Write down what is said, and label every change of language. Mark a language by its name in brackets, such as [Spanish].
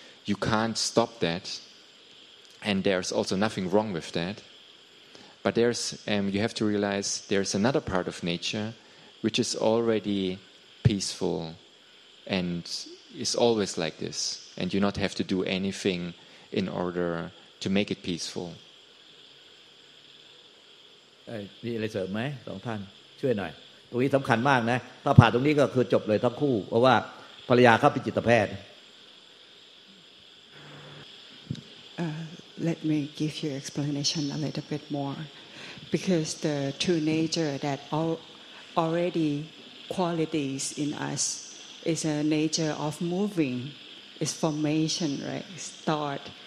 [English] You can't stop that, and there's also nothing wrong with that. But you have to realize there's another part of nature which is already peaceful and is always like this, and you not have to do anything in order... to make it peaceful. [Thai] มีอะไรเสริมไหมสองท่านช่วยหน่อยตรงนี้สำคัญมากนะถ้าผ่านตรงนี้ก็คือจบเลยทั้งคู่เพราะว่าภรรยาเขาเป็นจิตแพทย์ [English] Let me give you explanation a little bit more because the true nature that already qualities in us is a nature of moving, is formation, right? Start.